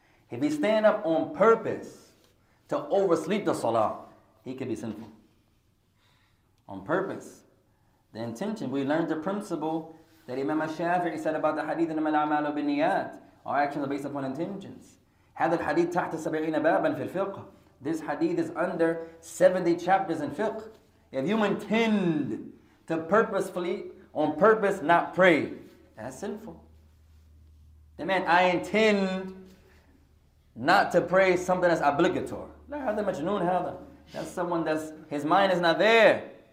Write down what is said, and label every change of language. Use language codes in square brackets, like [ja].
[en] If he stand up on purpose to oversleep the salah, he could be sinful. On purpose. The intention, we learned the principle that Imam al-Shafi'i said about the hadith in [ar] al-amalu bin-niyat. [en] Our actions are based upon intentions. [ar] هذا الحديث تحت سبعين بابا في الفقه. [en] This hadith is under 70 chapters in fiqh. If you intend to purposefully, on purpose, not pray, that's sinful. The man, I intend not to pray something that's obligatory. [ar] La hada majnoon hada. [en] That's someone that's, his mind is not there.